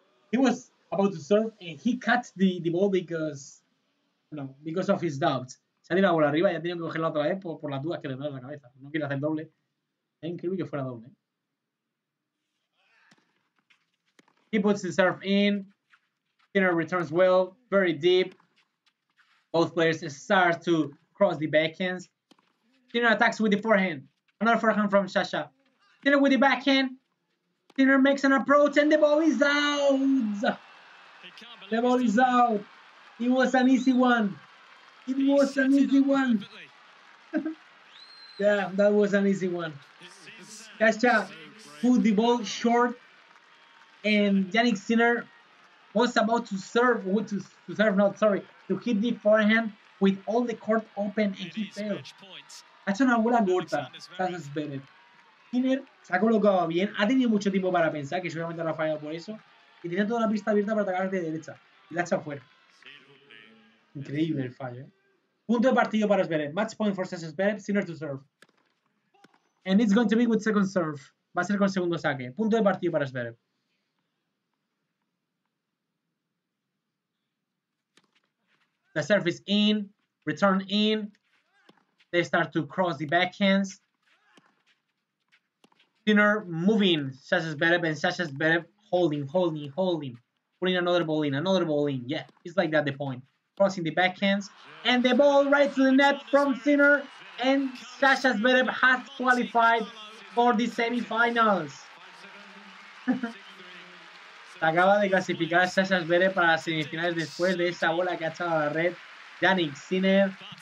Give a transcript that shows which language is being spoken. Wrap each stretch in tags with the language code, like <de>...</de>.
<en>He was about to serve and he cut the ball because of his doubts.</en> <es>Se ha tirado la bola arriba y ha tenido que cogerla otra vez por las dudas que le da en la cabeza. No quiere hacer doble. Es increíble que fuera doble.</es> <en>He puts the serve in. Sinner returns well. Very deep. Both players start to cross the backhands. Sinner attacks with the forehand. Another forehand from Sasha. Sinner with the backhand. Sinner makes an approach and the ball is out. The ball is out. It was an easy one. It was an easy one. Yeah, that was an easy one. Sasha put the ball short. And Jannik Sinner was about to serve, to hit the forehand with all the court open and he failed. That's</en> <es>una buena corta. Sasha Zverev. Sinner se ha colocado bien, ha tenido mucho tiempo para pensar, que seguramente habrá fallado por eso. Y tenía toda la pista abierta para atacar de derecha. Y la ha echado fuera. Increíble el fallo, ¿eh? Punto de partido para Zverev.</es> <en>Match point for Sasha Zverev, Sinner to serve. And it's going to be with second serve.</en> <es>Va a ser con segundo saque. Punto de partido para Zverev.</es> <en>The serve is in, return in. They start to cross the backhands. Sinner moving. Sasha Zverev and Sasha Zverev holding. Putting another ball in. Yeah, it's like that the point. Crossing the backhands. And the ball right to the net from Sinner. And Sasha Zverev has qualified for the semifinals.</en> <es>Acaba de clasificar Sasha Zverev para las semifinales después de esa bola que ha echado a la red Jannik Sinner.</es>